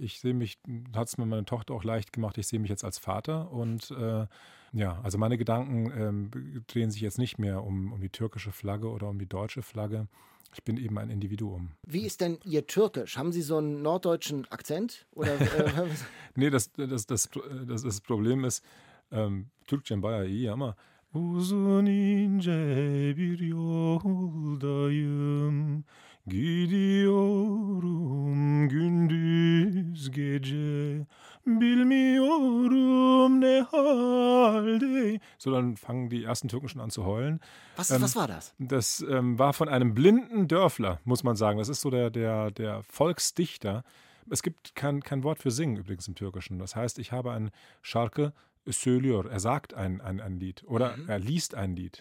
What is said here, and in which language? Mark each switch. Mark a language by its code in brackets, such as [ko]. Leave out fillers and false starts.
[de] Ich sehe mich, hat es mir meine Tochter auch leicht gemacht, ich sehe mich jetzt als Vater. Und also meine Gedanken drehen sich jetzt nicht mehr um die türkische Flagge oder um die deutsche Flagge. Ich bin eben ein Individuum. Wie ist denn Ihr Türkisch? Haben Sie so einen norddeutschen Akzent? Oder, Nee, das Problem ist, [tr] Türkçem bayağı iyi ama uzun ince bir yoldayım. Gidiyorum gündüz gece, bilmiyorum ne halde. [de] So, dann fangen die ersten Türken schon an zu heulen. Was war das? Das war von einem blinden Dörfler, muss man sagen. Das ist so der Volksdichter. Es gibt kein Wort für singen übrigens im Türkischen. Das heißt, ich habe ein [tr] Şarkı söylüyor. [de] Er sagt ein Lied oder er liest ein Lied.